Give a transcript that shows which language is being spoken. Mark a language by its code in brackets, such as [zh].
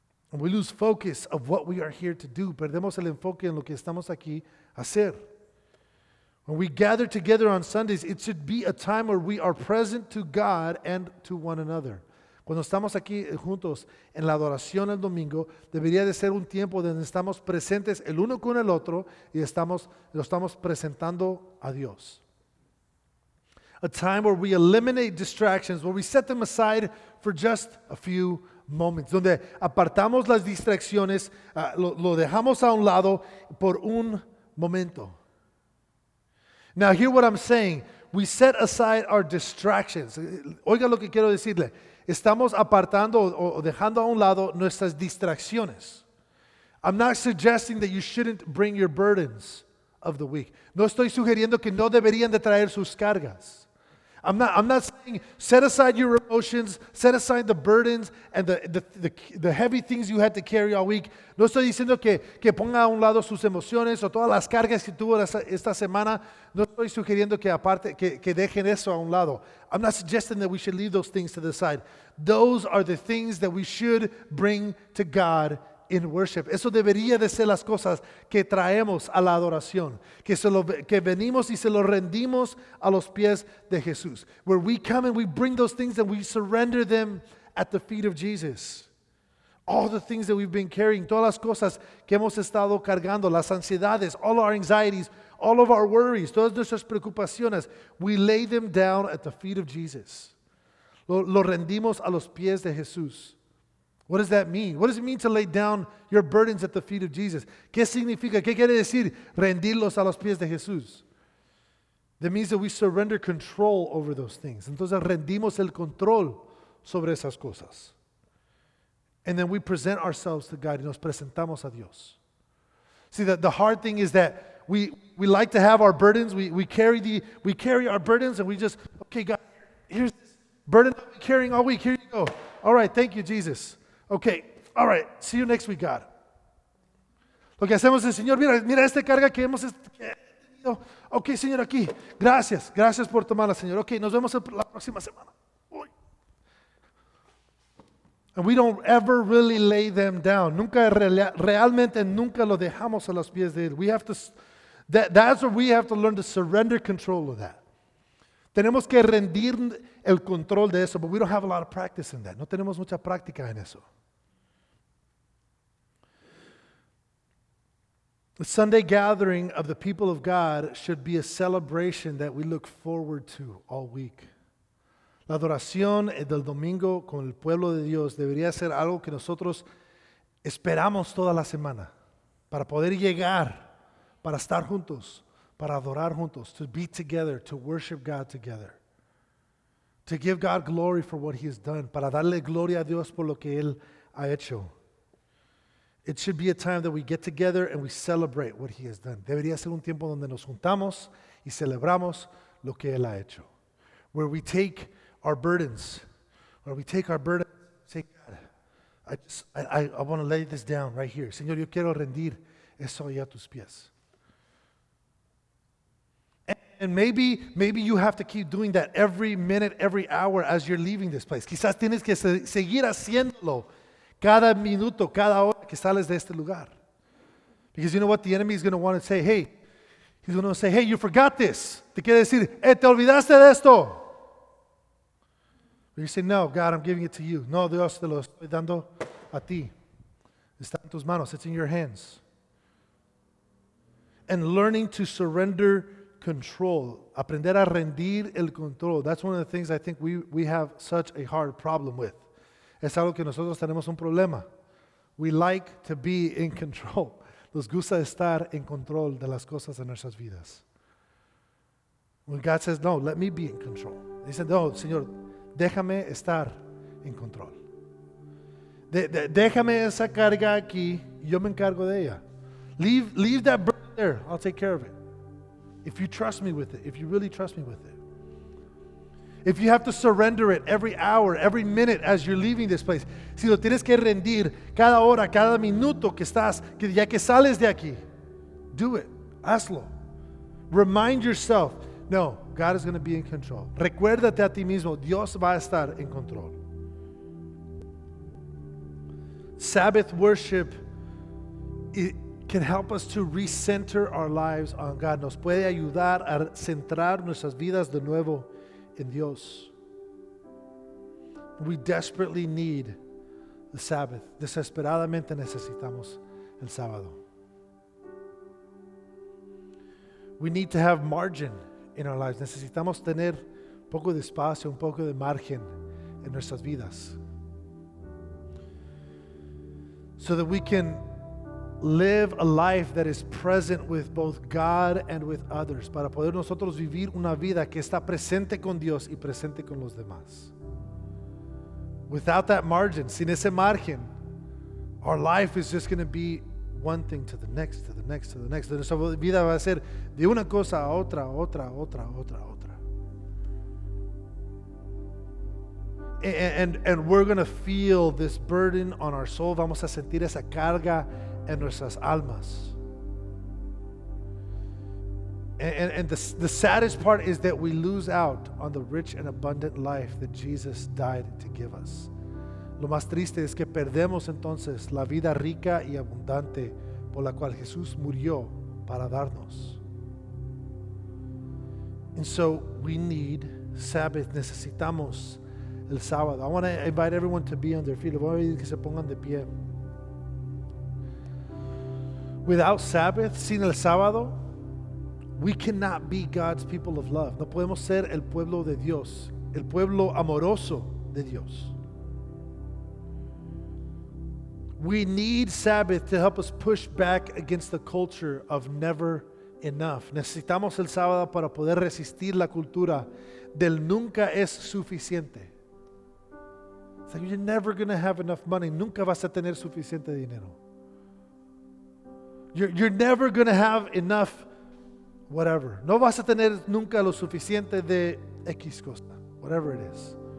[en] And we lose focus of what we are here to do. [es] Perdemos el enfoque en lo que estamos aquí a hacer. [en] When we gather together on Sundays, it should be a time where we are present to God and to one another. [es] Cuando estamos aquí juntos en la adoración el domingo, debería de ser un tiempo donde estamos presentes el uno con el otro y lo estamos presentando a Dios. [en] A time where we eliminate distractions, where we set them aside for just a few moments. [es] Donde apartamos las distracciones, lo dejamos a un lado por un momento. [en] Now hear what I'm saying. We set aside our distractions. [es] Oiga lo que quiero decirle. Estamos apartando o dejando a un lado nuestras distracciones. [en] I'm not suggesting that you shouldn't bring your burdens of the week. [es] No estoy sugiriendo que no deberían de traer sus cargas. [en] I'm not saying set aside your emotions, set aside the burdens and the heavy things you had to carry all week. [es] No estoy diciendo que ponga a un lado sus emociones o todas las cargas que tuvo esta semana. No estoy sugiriendo que dejen eso a un lado. [en] I'm not suggesting that we should leave those things to the side. Those are the things that we should bring to God in worship. [es] Eso debería de ser las cosas que traemos a la adoración, que venimos y se lo rendimos a los pies de Jesús. [en] Where we come and we bring those things and we surrender them at the feet of Jesus. All the things that we've been carrying, [es] todas las cosas que hemos estado cargando, las ansiedades, [en] all our anxieties, all of our worries, [es] todas nuestras preocupaciones, [en] we lay them down at the feet of Jesus. [es] Lo rendimos a los pies de Jesús. [en] What does that mean? What does it mean to lay down your burdens at the feet of Jesus? [es] ¿Qué significa? ¿Qué quiere decir rendirlos a los pies de Jesús? [en] That means that we surrender control over those things. [es] Entonces rendimos el control sobre esas cosas. [en] And then we present ourselves to God [es] y nos presentamos a Dios. [en] See, the hard thing is that we like to have our burdens. We carry our burdens and we just, okay, God, here's this burden I've been carrying all week. Here you go. All right, thank you, Jesus. Okay, all right, see you next week, God. [es] Lo que hacemos es, Señor, mira esta carga que hemos tenido. Okay, Señor, aquí. Gracias por tomarla, Señor. Okay, nos vemos la próxima semana. Uy. [en] And we don't ever really lay them down. [es] Nunca, realmente nunca lo dejamos a los pies de Él. [en] We have to, that's where we have to learn to surrender control of that. [es] Tenemos que rendir el control de eso, [en] but we don't have a lot of practice in that. [es] No tenemos mucha práctica en eso. [en] The Sunday gathering of the people of God should be a celebration that we look forward to all week. [es] La adoración del domingo con el pueblo de Dios debería ser algo que nosotros esperamos toda la semana para poder llegar, para estar juntos. Para adorar juntos, [en] to be together, to worship God together. To give God glory for what He has done. [es] Para darle gloria a Dios por lo que Él ha hecho. [en] It should be a time that we get together and we celebrate what He has done. [es] Debería ser un tiempo donde nos juntamos y celebramos lo que Él ha hecho. [en] Where we take our burdens. Where we take our burdens. Say, God, I want to lay this down right here. [es] Señor, yo quiero rendir eso ahí a tus pies. [en] And maybe you have to keep doing that every minute, every hour as you're leaving this place. [es] Quizás tienes que seguir haciéndolo cada minuto, cada hora que sales de este lugar. [en] Because you know what? The enemy is going to want to say, hey, he's going to say, hey, you forgot this. [es] Te quiere decir, hey, te olvidaste de esto. [en] But you say, no, God, I'm giving it to you. [es] No, Dios, te lo estoy dando a ti. Está en tus manos. [en] It's in your hands. And learning to surrender control. [es] Aprender a rendir el control. [en] That's one of the things I think we have such a hard problem with. [es] Es algo que nosotros tenemos un problema. [en] We like to be in control. [es] Nos gusta estar en control de las cosas en nuestras vidas. [en] When God says, no, let me be in control. He said, no, [es] Señor, déjame estar en control. Déjame esa carga aquí, yo me encargo de ella. [en] Leave that burden there, I'll take care of it. If you trust me with it, if you really trust me with it. If you have to surrender it every hour, every minute as you're leaving this place, [es] si lo tienes que rendir cada hora, cada minuto que estás, que ya que sales de aquí, [en] do it, [es] hazlo. [en] Remind yourself, no, God is going to be in control. [es] Recuérdate a ti mismo, Dios va a estar en control. [en] Sabbath worship, it can help us to recenter our lives on God. [es] Nos puede ayudar a centrar nuestras vidas de nuevo en Dios. [en] We desperately need the Sabbath. [es] Desesperadamente necesitamos el sábado. [en] We need to have margin in our lives. [es] Necesitamos tener poco de espacio, un poco de margen en nuestras vidas. [en] So that we can live a life that is present with both God and with others. [es] Para poder nosotros vivir una vida que está presente con Dios y presente con los demás. [en] Without that margin, [es] sin ese margen, [en] our life is just going to be one thing to the next, to the next, to the next. [es] Nuestra vida va a ser de una cosa a otra, a otra, a otra, a otra, a otra. [en] And we're going to feel this burden on our soul. [es] Vamos a sentir esa carga en nuestras almas. [en] And the saddest part is that we lose out on the rich and abundant life that Jesus died to give us. [es] Lo más triste es que perdemos entonces la vida rica y abundante por la cual Jesús murió para darnos. [en] And so we need Sabbath. [es] Necesitamos el sábado. [en] I want to invite everyone to be on their feet. [es] Voy a pedir que se pongan de pie. [en] Without Sabbath, [es] sin el sábado, [en] we cannot be God's people of love. [es] No podemos ser el pueblo de Dios, el pueblo amoroso de Dios. [en] We need Sabbath to help us push back against the culture of never enough. [es] Necesitamos el sábado para poder resistir la cultura del nunca es suficiente. [en] It's like you're never going to have enough money. [es] Nunca vas a tener suficiente dinero. [en] You're never going to have enough whatever. [es] No vas a tener nunca lo suficiente de X cosa, [en] whatever it is.